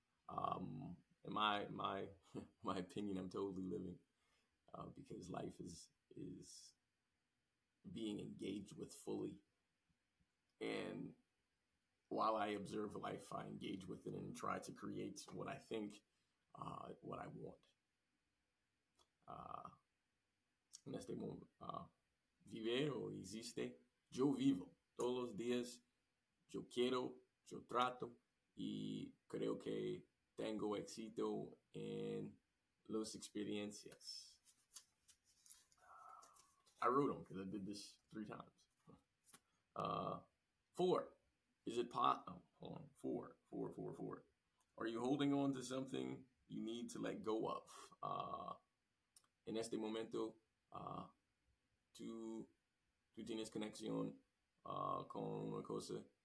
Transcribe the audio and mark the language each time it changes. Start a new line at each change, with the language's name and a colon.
English: In my opinion, I'm totally living because life is being engaged with fully. And while I observe life, I engage with it and try to create what I think, what I want.
Spanish: En este momento, ¿vivir o existe? Yo vivo todos los días. Yo quiero, yo trato y creo que tengo éxito en las experiencias.
English: I wrote them because I did this 3 times. 4. Is it pot? Oh, hold on. 4. Are you holding on to something you need to let go of?
Spanish: En este momento, tú tienes conexión con una cosa.